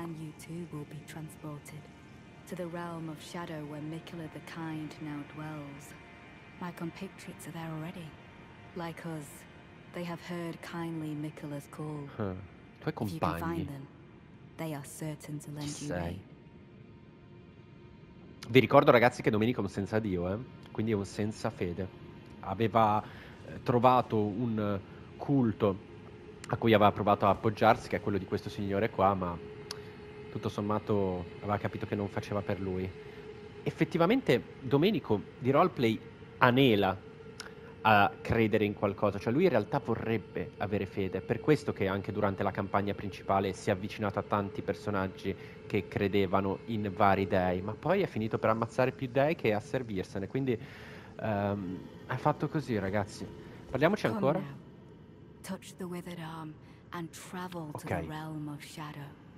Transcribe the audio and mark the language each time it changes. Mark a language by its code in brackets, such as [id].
[en] And you too will be transported to the realm of shadow where Michella the kind now dwells. My compatriots are there already. Like us, they have heard kindly Michella's call. [it] Tuoi compagni. [en] If you can find them, they are certain to lend you aid. [it] Vi ricordo, ragazzi, che Domenico è un senza Dio, quindi è un senza fede. Aveva trovato un culto a cui aveva provato a appoggiarsi, che è quello di questo signore qua, ma tutto sommato aveva capito che non faceva per lui. Effettivamente Domenico di roleplay anela a credere in qualcosa, cioè lui in realtà vorrebbe avere fede, per questo che anche durante la campagna principale si è avvicinato a tanti personaggi che credevano in vari dei, ma poi è finito per ammazzare più dei che a servirsene, quindi è fatto così, ragazzi. Parliamoci ancora. [en] Touch the withered arm and travel to the realm of shadow.